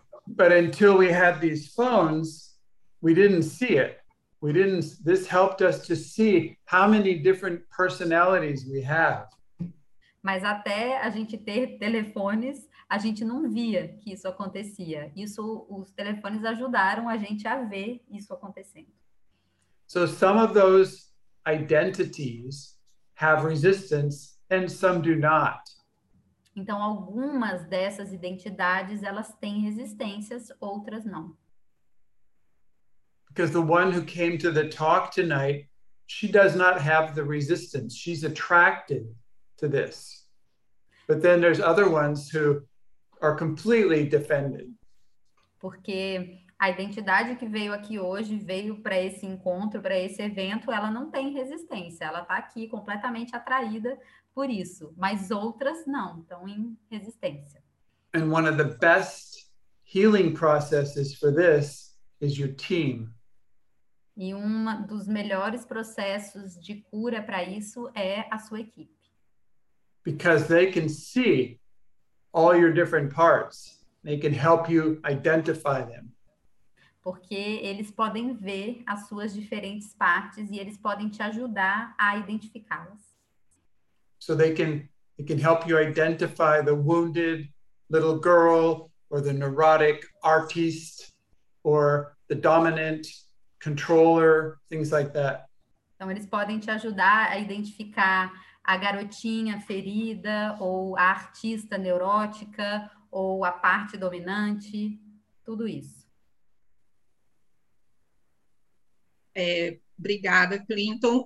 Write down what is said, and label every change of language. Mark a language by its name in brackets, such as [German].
[English] But until we had these phones, we didn't see it. We didn't. This helped us to see how many different personalities we have. [Portuguese] Mas até a gente ter telefones, a gente não via que isso acontecia. Isso, os telefones ajudaram a gente a ver isso acontecendo. [English] So some of those identities have resistance and some do not. [Portuguese] Então algumas dessas identidades, elas têm resistências, outras não. [English] Because the one who came to the talk tonight, she does not have the resistance. She's attracted to this. But then there's other ones who are completely defended. [Portuguese] Porque a identidade que veio aqui hoje, veio para esse encontro, para esse evento, ela não tem resistência. Ela está aqui completamente atraída por isso. Mas outras não, estão em resistência. [English] And one of the best healing processes for this is your team. [Portuguese] E um dos melhores processos de cura para isso é a sua equipe. [English] Because they can see all your different parts. They can help you identify them. [Portuguese] Porque eles podem ver as suas diferentes partes e eles podem te ajudar a identificá-las. [English] So they can help you identify the wounded little girl or the neurotic artist or the dominant controller, things like that. [Portuguese] Então eles podem te ajudar a identificar a garotinha ferida, ou a artista neurótica, ou a parte dominante, tudo isso. É, obrigada, Clinton.